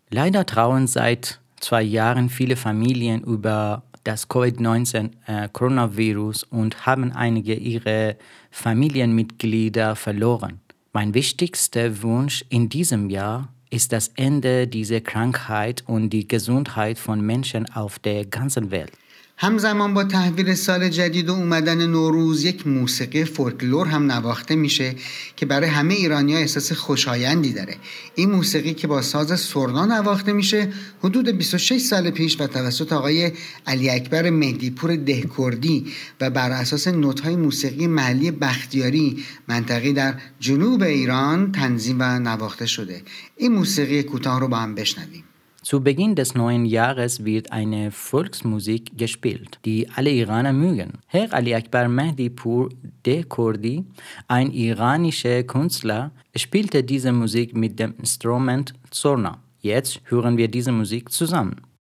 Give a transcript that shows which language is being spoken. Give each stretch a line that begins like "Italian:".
German: Leider trauen seit 2 Jahren viele Familien über das Covid-19 Coronavirus und haben einige ihre Familienmitglieder verloren. Mein wichtigster Wunsch in diesem Jahr ist das Ende dieser Krankheit und die Gesundheit von Menschen auf der ganzen Welt.
Persian: همزمان با تحویل سال جدید و اومدن نوروز یک موسیقی فولکلور هم نواخته میشه که برای همه ایرانی ها احساس خوشایندی داره. این موسیقی که با ساز سرنا نواخته میشه حدود 26 سال پیش و توسط آقای علی اکبر مهدیپور دهکردی و بر اساس نوت‌های موسیقی محلی بختیاری منطقه‌ای در جنوب ایران تنظیم و نواخته شده. این موسیقی کوتاه رو با هم بشنویم.
German: Zu Beginn des neuen Jahres wird eine Volksmusik gespielt, die alle Iraner mögen. Herr Ali Akbar Mehdipur Dehkordi, ein iranischer Künstler, spielte diese Musik mit dem Instrument Zorna. Jetzt hören wir diese Musik zusammen.